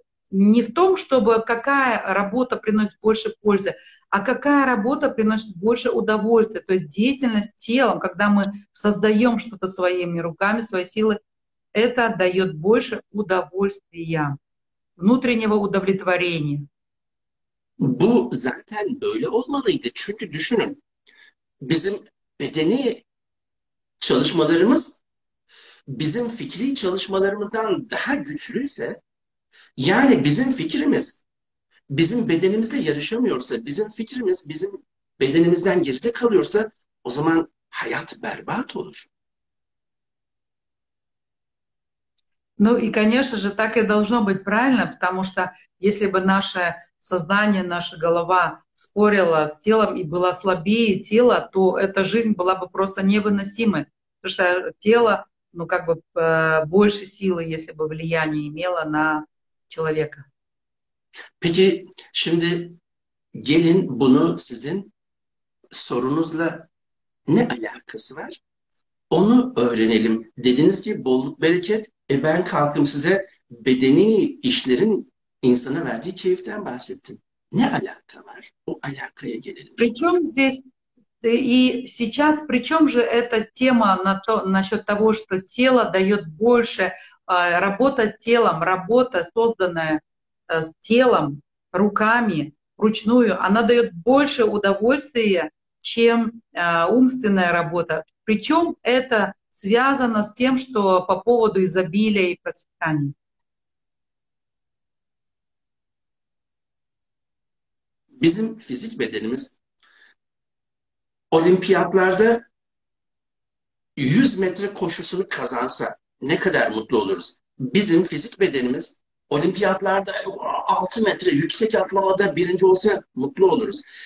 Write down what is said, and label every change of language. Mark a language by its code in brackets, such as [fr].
[ru] Не в том, чтобы какая работа приносит больше пользы, а какая работа приносит больше удовольствия. То есть деятельность телом, когда мы создаем что-то своими руками, своей силой, это дает больше удовольствия, внутреннего удовлетворения. [tr] Bu zaten böyle olmalıydı. Çünkü düşünün, bizim bedeni çalışmalarımız bizim fikri çalışmalarımızdan daha güçlüyse, yani bizim fikrimiz bizim bedenimizle yarışamıyorsa, bizim fikrimiz bizim bedenimizden geride kalıyorsa, o zaman hayat berbat olur. [ru] Ну и, конечно же, так и должно быть правильно, потому что если бы наше сознание, наша голова спорила с телом и была слабее тела, то эта жизнь была бы просто невыносимой, потому что тело, ну как бы больше силы, если бы влияние имело на человека. [tr] Peki şimdi gelin bunu sizin sorunuzla ne alakası var? Onu öğrenelim. Dediniz ki bolluk bereket. Ben kalkayım size bedeni işlerin insana verdiği keyiften bahsettim. Ne alaka var? O alakaya gelelim şimdi. [ru] Причем здесь и сейчас, причем же эта тема насчет того, что тело дает больше, работа с телом, работа, созданная с телом, руками, вручную, она дает больше удовольствия, чем умственная работа. Причем это связано с тем, что по поводу изобилия и процветания. [tr] Bizim fizik bedenimiz olimpiyatlarda 100 metre koşusunu kazansa ne kadar mutlu oluruz? Bizim fizik bedenimiz olimpiyatlarda 6 metre yüksek atlamada birinci olsa mutlu oluruz.